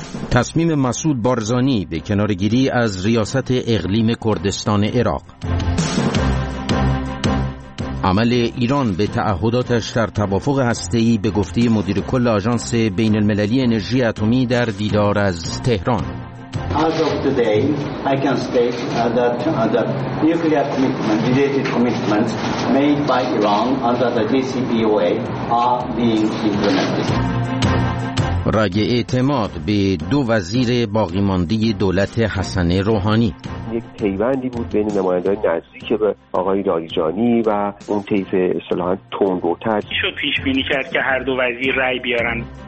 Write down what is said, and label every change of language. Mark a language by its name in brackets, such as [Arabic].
[Persian] تصمیم مسعود بارزانی به کنارگیری از ریاست اقلیم کردستان عراق. عمل ایران به تعهداتش در توافق هسته‌ای به گفته مدیر کل آژانس بین المللی انرژی اتمی در دیدار از تهران. [English] As of today, I can state that nuclear commitment, related commitments made by Iran under the JCPOA are being implemented. [Persian] رأی اعتماد به دو وزیر باقی‌مانده دولت حسن روحانی. یک پیوندی بود بین نمایندگان نزدیک به آقای لاریجانی و اون طیف اصطلاحا تندروتر. شد پیش بینی کرد که هر دو وزیر رأی بیارن.